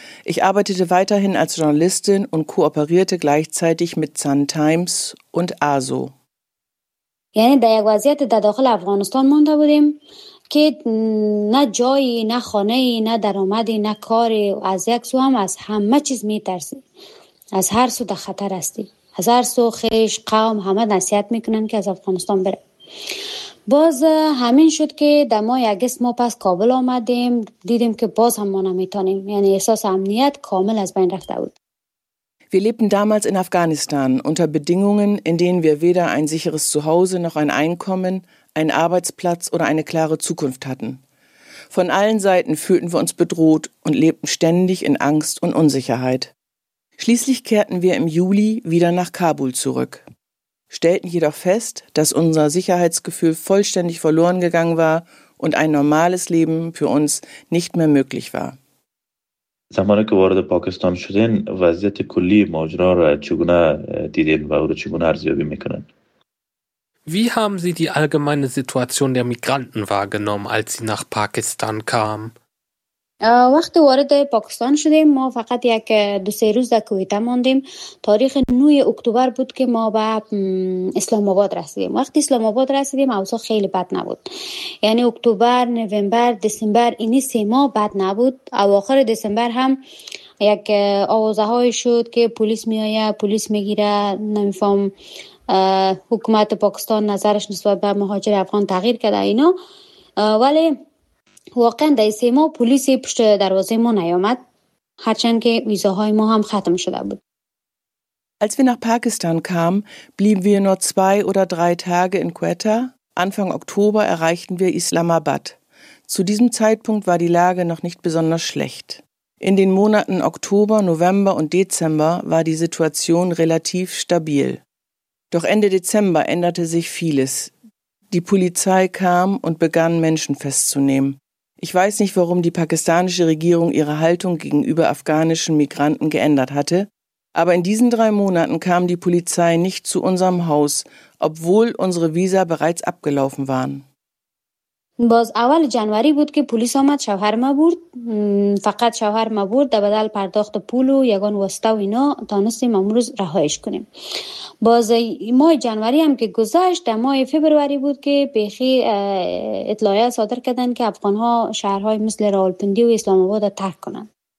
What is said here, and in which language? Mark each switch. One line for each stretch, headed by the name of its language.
German: Ich arbeitete weiterhin als Journalistin und kooperierte gleichzeitig mit Sun Times und ASO.
Persian: یعنی در یک وضعیت در داخل افغانستان مانده بودیم که نه جایی، نه خانه‌ای، نه درآمدی، نه کاری از یک سو هم از همه چیز میترسی. از هر سو در خطر هستی. از هر سو خیش، قوم همه نصیحت میکنن که از افغانستان بره. باز همین شد که در ما یک ما پس کابل آمدیم دیدیم که باز هم ما نمیتونیم یعنی احساس امنیت کامل از بین رفته بود.
German: Wir lebten damals in Afghanistan unter Bedingungen, in denen wir weder ein sicheres Zuhause noch ein Einkommen, einen Arbeitsplatz oder eine klare Zukunft hatten. Von allen Seiten fühlten wir uns bedroht und lebten ständig in Angst und Unsicherheit. Schließlich kehrten wir im Juli wieder nach Kabul zurück. Stellten jedoch fest, dass unser Sicherheitsgefühl vollständig verloren gegangen war und ein normales Leben für uns nicht mehr möglich war.
Persian: زمانی که وارد پاکستان شدین وضعیت کلی ماجرا را چگونه دیدین و او را چگونه ارزیابی میکنن؟
German: Wie haben Sie die allgemeine Situation der Migranten wahrgenommen, als Sie nach Pakistan kamen?
Persian: وقتی وارد پاکستان شدیم ما فقط یک دو سه روز در کویت ماندیم تاریخ 9 اکتبر بود که ما به اسلام آباد رسیدیم وقتی اسلام آباد رسیدیم اوضاع خیلی بد نبود یعنی اکتبر نوامبر دسامبر اینی سه ماه بد نبود اواخر دسامبر هم یک آوازه های شد که پلیس میآید پلیس میگیره نمیفهم حکومت پاکستان نظرش نسبت به مهاجر افغان تغییر کرده اینا ولی واقعا در سه ماه پلیس پشت دروازه ما نیامد هرچند که ویزاهای ما هم ختم شده بود
German: Als wir nach Pakistan kamen, blieben wir nur 2 oder 3 Tage in Quetta. Anfang Oktober erreichten wir Islamabad. Zu diesem Zeitpunkt war die Lage noch nicht besonders schlecht. In den Monaten Oktober, November und Dezember war die Situation relativ stabil. Doch Ende Dezember änderte sich vieles. Die Polizei kam und begann, Menschen festzunehmen. Ich weiß nicht, warum die pakistanische Regierung ihre Haltung gegenüber afghanischen Migranten geändert hatte, aber in diesen 3 Monaten kam die Polizei nicht zu unserem Haus, obwohl unsere Visa bereits abgelaufen waren.
Persian: باز اول جنوری بود که پلیس آمد شوهر ما برد فقط شوهر ما برد در بدل پرداخت پول و یگان واسطه و اینا دانستیم امروز رهایش کنیم باز ماه جنوری هم که گذشت در ماه فبروری بود که بیخی اطلاعیه صادر کردن که افغان ها شهرهای مثل راولپندی و اسلام آباد را ترک کنند